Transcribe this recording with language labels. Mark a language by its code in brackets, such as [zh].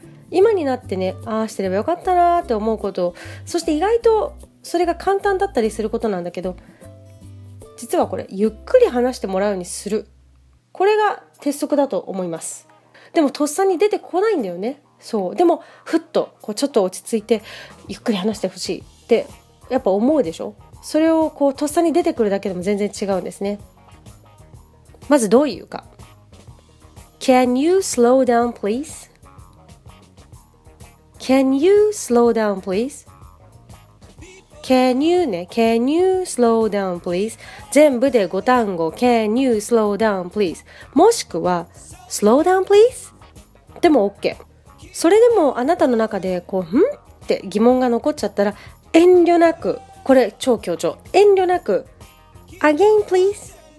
[ja] 今になってね、ああしてればよかったなーって思うこと、そして意外とそれが簡単だったりすることなんだけど、実はこれゆっくり話してもらうようにする、これが鉄則だと思います。でもとっさに出てこないんだよね。そう、でもふっとこうちょっと落ち着いてゆっくり話してほしいってやっぱ思うでしょ。それをこうとっさに出てくるだけでも全然違うんですね。まずどういうか。 [en] Can you slow down please? Can you slow down please? Can you [ja] ね、 [en] Can you slow down please? [ja] 全部で5単語 [en] Can you slow down please? [ja] もしくは [en] Slow down please? [ja] でも OK。それでもあなたの中でこうん?って疑問が残っちゃったら、遠慮なく、これ超強調、遠慮なく [en] Again please?